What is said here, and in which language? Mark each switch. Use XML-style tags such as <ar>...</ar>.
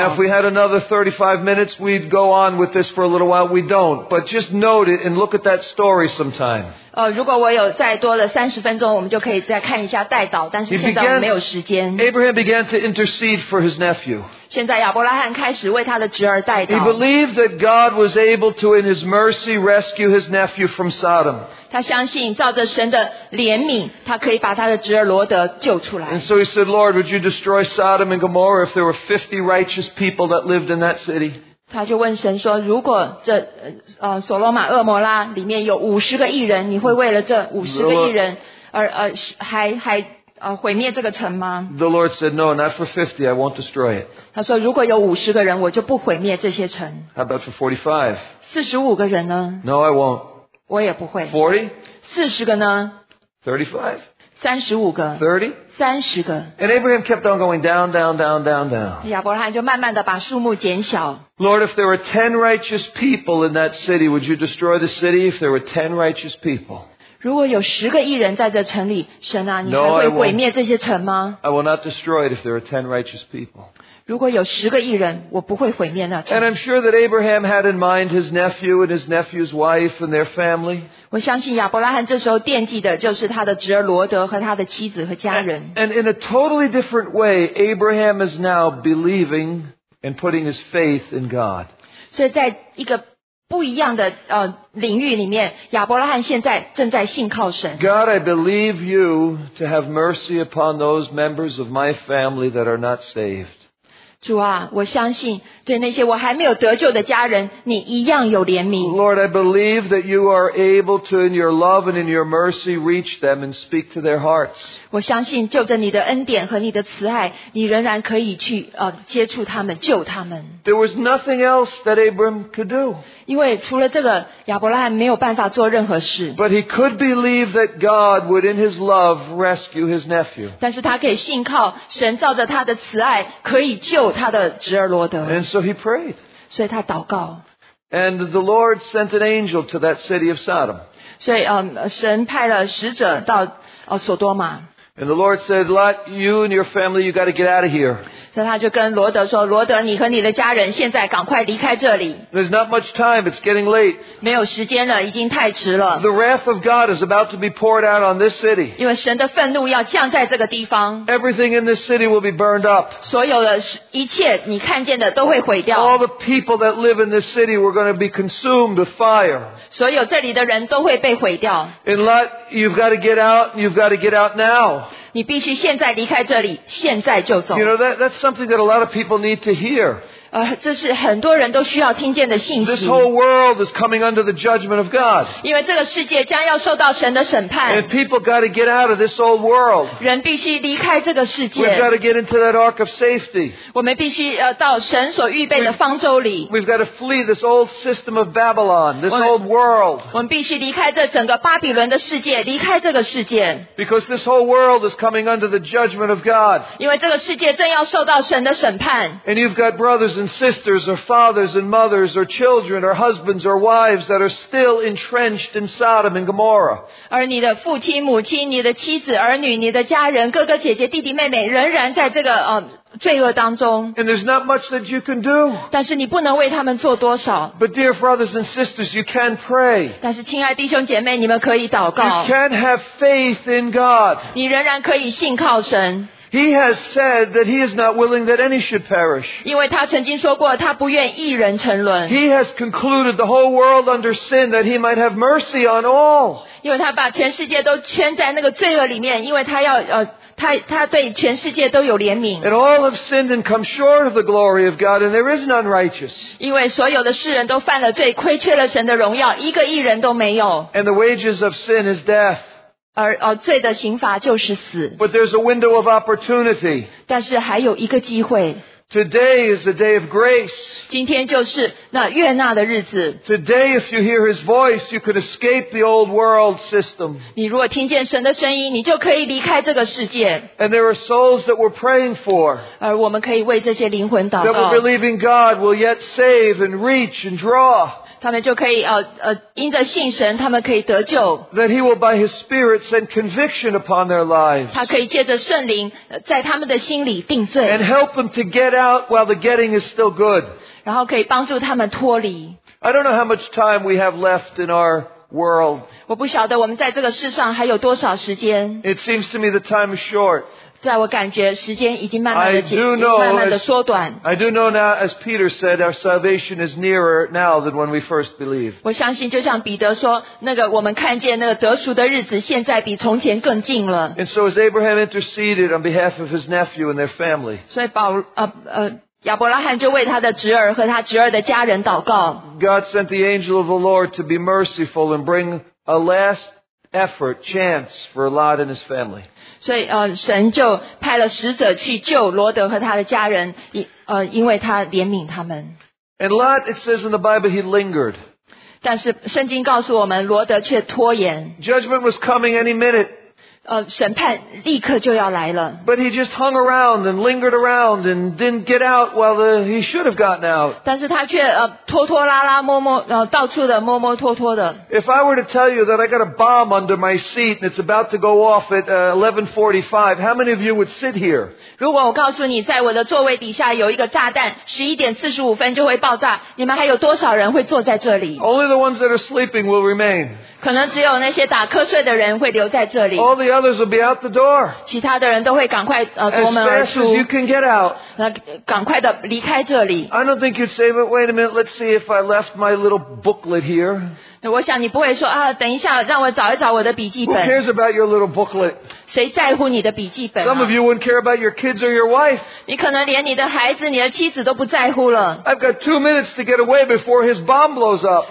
<en>Now, if we had another 35 minutes, we'd go on with this for a little while. We don't. But just note it and look at that story sometime.</en> <zh>如果我有再多的30分钟我们就可以再看一下代祷但是现在我们没有时间</zh> <en>Abraham began to intercede for his nephew</en> <zh>现在亚伯拉罕开始为他的侄儿代祷</zh> <en>He believed that God was able to in his mercy rescue his nephew from Sodom</en> <zh>他相信照着神的怜悯他可以把他的侄儿罗德救出来</zh> <en>And so he said Lord would you destroy Sodom and Gomorrah if there were 50 righteous people that lived in that city</en> <zh>他就问神说如果这所罗马恶魔拉里面有五十个义人你会为了这五十个义人而毁灭这个城吗</zh> <en>The Lord said, no, not for 50, I won't destroy it.</en> <zh>他说如果有五十个人我就不毁灭这些城。</zh> <en>How about for 45?</en> <zh>四十五个人呢</zh> <en>No, I won't.</en> <zh>我也不会。</zh> <en>40?</en> <zh>四十个呢</zh> <en>35?</en> <zh>三十五个</zh> <en>30? And Abraham kept on going down, down, down, down, down.</en> <zh>亚伯拉罕就慢慢地把数目减小。</zh> <en>Lord, if there were 10 righteous people in that city, would you destroy the city if there were 10 righteous people?</en> <zh>如果有十个义人在这城里神啊你还会毁灭这些城吗</zh> <en>No, I will not destroy it if there were 10 righteous people.</en> <zh>如果有十个义人我不会毁灭那城。</zh> <en>And I'm sure that Abraham had in mind his nephew and his nephew's wife and their family.</en> <zh>我相信亚伯拉罕这时候惦记的就是他的侄儿罗德和他的妻子和家人。</zh> <en>And in a totally different way, Abraham is now believing and putting his faith in God.</en> <zh>所以在一个不一样的领域里面，亚伯拉罕现在正在信靠神。</zh> <en>God, I believe you to have mercy upon those members of my family that are not saved.</en> <zh>主啊，我相信对那些我还没有得救的家人，你一样有怜悯。</zh> <en>Lord, I believe that you are able to, in your love and in your mercy, reach them and speak to their hearts.</en> <zh>我相信，就着你的恩典和你的慈爱，你仍然可以去接触他们，救他们。</zh> <en>There was nothing else that Abram could do.</en> <zh>因为除了这个，亚伯拉罕没有办法做任何事。</zh> <en>But he could believe that God would, in His love, rescue his nephew.</en> <zh>但是他可以信靠神，照着他的慈爱，可以救。</zh> <en>And so he prayed.</en> <zh>所以他祷告。</zh> <en>And the Lord sent an angel to that city of Sodom.</en> <zh>所以神派了使者到索多玛。</zh> <en>And the Lord said, Lot, you and your family, you got to get out of here.</en> <zh>所以他就跟罗德说，罗德，你和你的家人现在赶快离开这里。</zh> <en>There's not much time. It's getting late.</en> <zh>没有时间了，已经太迟了。</zh> <en>The wrath of God is about to be poured out on this city.</en> <zh>因为神的愤怒要降在这个地方。</zh> <en>Everything in this city will be burned up.</en> <zh>所有的一切你看见的都会毁掉。</zh> <en>All the people that live in this city were going to be consumed with fire.</en> <zh>所有这里的人都会被毁掉。</zh> <en>And Lot, you've got to get out. You've got to get out now.</en> <zh>你必须现在离开这里，现在就走。</zh> <en>You know, that's something that a lot of people need to hear.</en> <zh>这是很多人都需要听见的信息。</zh> <en>This whole world is coming under the judgment of God.</en> <zh>因为这个世界将要受到神的审判。</zh> <en>And people got to get out of this old world.</en> <zh>人必须离开这个世界。</zh> <en>We've got to get into that ark of safety.</en> <zh>我们必须到神所预备的方舟里。</zh> <en>We've got to flee this old system of Babylon, this old world.</en> <zh>我们必须离开这整个巴比伦的世界，离开这个世界。</zh> <en>Because this whole world is coming under the judgment of God.</en> <zh>因为这个世界正要受到神的审判。</zh> <en>And you've got brothers and sisters, or fathers and mothers, or children, or husbands, or wives that are still entrenched in Sodom and Gomorrah.</en> <zh>而你的父亲、母亲、你的妻子、儿女、你的家人、哥哥、姐姐、弟弟、妹妹，仍然在这个罪恶当中。</zh> <en>And there's not much that you can do.</en> <zh>但是你不能为他们做多少。</zh> <en>But dear brothers and sisters, you can pray.</en> <zh>但是亲爱弟兄姐妹，你们可以祷告。</zh> <en>You can have faith in God.</en> <zh>你仍然可以信靠神。</zh> <en>He has said that he is not willing that any should perish.</en> <zh>因为他曾经说过，他不愿一人沉沦。</zh> <en>He has concluded the whole world under sin that he might have mercy on all.</en> <zh>因为他把全世界都圈在那个罪恶里面，因为他要他对全世界都有怜悯。</zh> <en>And all have sinned and come short of the glory of God, and there is none righteous.</en> <zh>因为所有的世人都犯了罪，亏缺了神的荣耀，一个义人都没有。</zh> <en>And the wages of sin is death.</en> <zh>罪的刑罚就是死。</zh> <en>But there's a window of opportunity.</en> <zh>但是还有一个机会。</zh> <en>Today is the day of grace.</en> <zh>今天就是那悦纳的日子。</zh> <en>Today, if you hear His voice, you could escape the old world system.</en> <zh>你如果听见神的声音，你就可以离开这个世界。</zh> <en>And there are souls that we're praying for.</en> <zh>而我们可以为这些灵魂祷告。</zh> <en>That we're believing God will yet save and reach and draw.</en> <zh>他们就可以因着信神，他们可以得救。</zh> <en>That He will by His Spirit send conviction upon their lives.</en> <zh>他可以借着圣灵在他们的心里定罪。</zh> <en>And help them to get out while the getting is still good.</en> <zh>然后可以帮助他们脱离。</zh> <en>I don't know how much time we have left in our world.</en> <zh>我不晓得我们在这个世上还有多少时间。</zh> <en>It seems to me the time is short.</en> <zh>在我感觉时间已经慢慢的减，慢慢的缩短。</zh> <en>I do know now, as Peter said, our salvation is nearer now than when we first believed.</en> <zh>我相信，就像彼得说，那个我们看见那个得赎的日子，现在比从前更近了。</zh> <en>And so as Abraham interceded on behalf of his nephew and their family.</en> <zh>所以亚伯拉罕就为他的侄儿和他侄儿的家人祷告。</zh> <en>God sent the angel of the Lord to be merciful and bring a last effort chance for Lot and his family.</en> <zh>所以神就派了使者去救罗德和他的家人因为他怜悯他们。</zh> <en>And Lot, it says in the Bible, he lingered.</en> <zh>但是圣经告诉我们罗德却拖延。</zh> <en>Judgment was coming any minute.</en> <zh>审判立刻就要来了。</zh> <en>But he just hung around and lingered around and didn't get out while he should have gotten out.</en> <zh>但是他却拖拖拉拉摸摸到处的摸摸拖拖的。</zh> <en>If I were to tell you that I got a bomb under my seat and it's about to go off at 11:45, how many of you would sit here?</en> <zh>如果我告诉你在我的座位底下有一个炸弹11点45分就会爆炸你们还有多少人会坐在这里</zh> <en>?Only the ones that are sleeping will remain.</en> <zh>可能只有那些打瞌睡的人会留在这里。</zh> <en>All the others will be out the door.</en> <zh>其他的人都会赶快夺门而出。</zh> <en>As fast as you can get out.</en> <zh>赶快的离开这里。</zh> <en>I don't think you'd say, but wait a minute, let's see if I left my little booklet here.</en> <zh>我想你不会说等一下让我找一找我的笔记本。</zh> <en>Who cares about your little booklet?</en> <zh>谁在乎你的笔记本啊?</zh> <en>Some of you wouldn't care about your kids or your wife.</en> <zh>你可能连你的孩子、你的妻子都不在乎了。</zh> <en>I've got 2 minutes to get away before his bomb blows up.</en>